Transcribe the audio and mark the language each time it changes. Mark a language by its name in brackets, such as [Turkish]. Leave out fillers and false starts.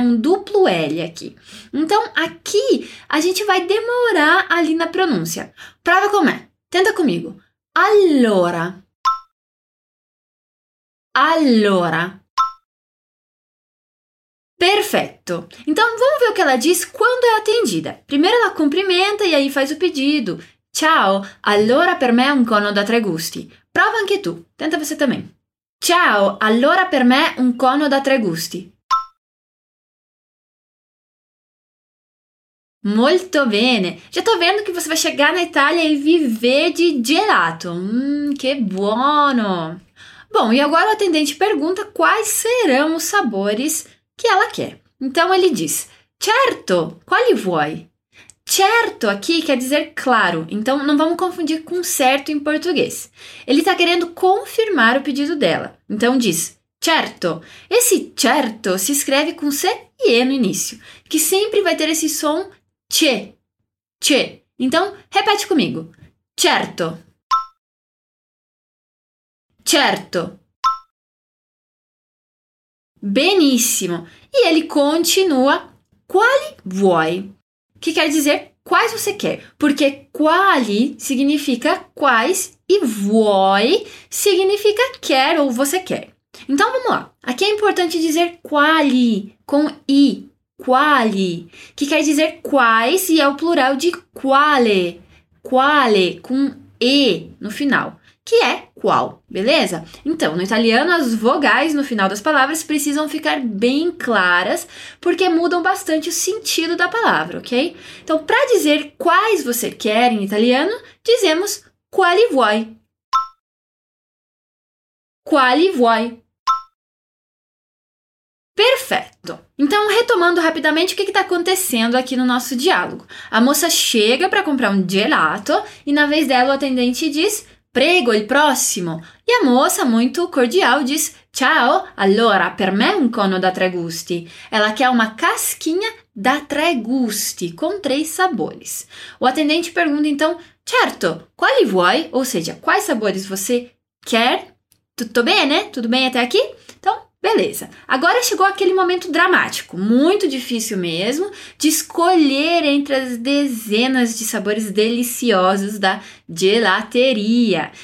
[Portuguese] Um duplo L aqui. Então, aqui a gente vai demorar ali na pronúncia. Prova como é. Tenta comigo. Allora. [Italian] Allora. [Portuguese] Perfeito. Então, vamos ver o que ela diz quando é atendida. Primeiro ela cumprimenta e aí faz o pedido. [Italian] Ciao, allora per me un cono da tre gusti. Prova anche tu. [Portuguese] Tenta você também. [Italian] Ciao, allora per me un cono da tre gusti. Molto bene. [Portuguese] Já tô vendo que você vai chegar na Itália e viver de gelato. [Italian] Che buono. [Portuguese] Bom, e agora o atendente pergunta quais serão os sabores que ela quer. Então, ele diz, [Italian] certo, quali vuoi? [Portuguese] Certo aqui quer dizer claro, então não vamos confundir com certo em português. Ele está querendo confirmar o pedido dela. Então, diz, certo. Esse certo se escreve com C e E no início, que sempre vai ter esse som che, che. Então, repete comigo, certo. [Italian] Certo. Benissimo. [Portuguese] E ele continua, [Italian] quali vuoi? [Portuguese] Que quer dizer quais você quer. Porque quali significa quais e vuoi significa quer ou você quer. Então, vamos lá. Aqui é importante dizer quali com i. Quali. Que quer dizer quais e é o plural de quale. Quale com e no final. Que é qual, beleza? Então, no italiano, as vogais no final das palavras precisam ficar bem claras, porque mudam bastante o sentido da palavra, ok? Então, para dizer quais você quer em italiano, dizemos [Italian] quali vuoi. Quali vuoi. [Portuguese] Perfeito! Então, retomando rapidamente o que está acontecendo aqui no nosso diálogo. A moça chega para comprar um gelato e, na vez dela, o atendente diz... [Italian] Prego il prossimo. Yamosa muito cordialis. Ciao. Allora, per me un cono da tre gusti. [Portuguese] Ela quer uma casquinha [Italian] da tre gusti, [Portuguese] com três sabores. O atendente pergunta então, [Italian] certo, quali vuoi? [Portuguese] Ou seja, quais sabores você quer? [Italian] Tutto bene? [Portuguese] Tudo bem até aqui? Então, beleza. Agora chegou aquele momento dramático, muito difícil mesmo, de escolher entre as dezenas de sabores deliciosos da gelateria.